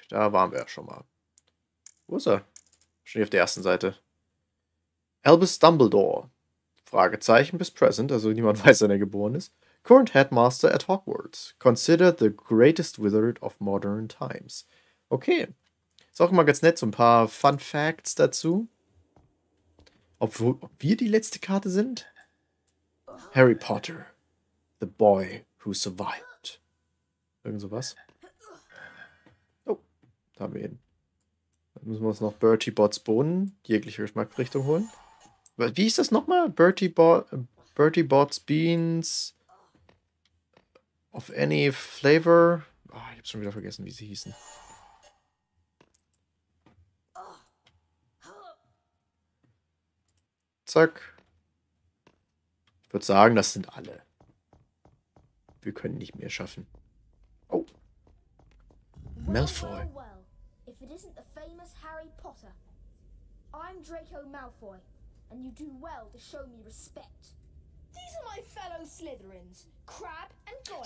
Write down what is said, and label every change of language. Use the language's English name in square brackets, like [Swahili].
[German] Da waren wir ja schon mal. Wo ist er? Schon hier auf der ersten Seite. Albus Dumbledore. Fragezeichen bis present, also niemand weiß, wann er geboren ist. [English] Current Headmaster at Hogwarts. Considered the greatest wizard of modern times. Okay. [German] Ist auch immer ganz nett, so ein paar Fun Facts dazu. Ob wir die letzte Karte sind? [English] Harry Potter. The boy who survived. [German] Irgend sowas. Oh, da haben wir ihn. Dann müssen wir uns noch Bertie Botts Bohnen, jegliche Geschmacksrichtung holen. Wie ist das nochmal? [English] Bertie Botts Beans of any flavor. [German] Oh, ich hab's schon wieder vergessen, wie sie hießen. Zack. Ich würde sagen, das sind alle. Wir können nicht mehr schaffen. Oh. Malfoy. [English] If it isn't the famous Harry Potter. I'm Draco Malfoy. And you do well to show me respect. These are my fellow Slytherins, Crab and Goyle.